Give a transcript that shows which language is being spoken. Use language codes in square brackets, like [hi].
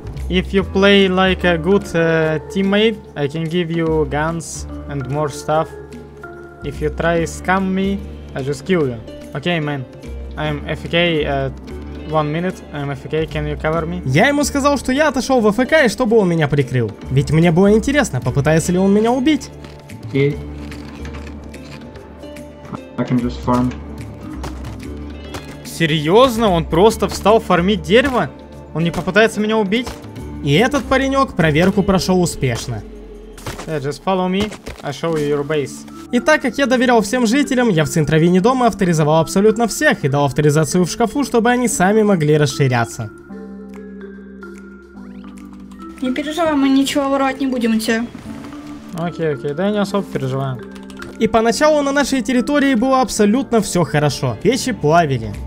[en] If you play like a good teammate, I can give you guns and more stuff. If you try scam me, I just kill you. Окей, мэн, I'm AFK, one minute, I'm AFK, can you cover me? [ru] Я ему сказал, что я отошел в АФК и чтобы он меня прикрыл. Ведь мне было интересно, попытается ли он меня убить. [en] Окей. I can just farm. [ru] Серьезно? Он просто встал фармить дерево? Он не попытается меня убить? И этот паренек проверку прошел успешно. [en] Hey, just follow me, I show you your base. [ru] И так как я доверял всем жителям, я в центровине дома авторизовал абсолютно всех и дал авторизацию в шкафу, чтобы они сами могли расширяться. Не переживай, мы ничего воровать не будем у тебя. Окей, да я не особо переживаю. И поначалу на нашей территории было абсолютно все хорошо. Печи плавили.